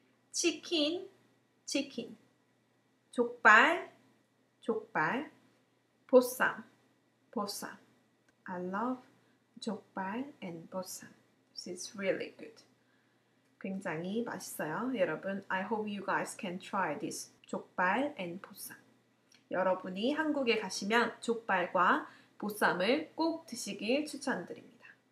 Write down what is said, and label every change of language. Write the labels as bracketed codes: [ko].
[ko] 치킨, 치킨. 족발, 족발. 보쌈, 보쌈. [en] I love [ko] 족발 and 보쌈. [en] This is really good. [ko] 굉장히 맛있어요, 여러분. [en] I hope you guys can try this 족발 and 보쌈. [ko] 여러분이 한국에 가시면 족발과 보쌈을 꼭 드시길 추천드립니다.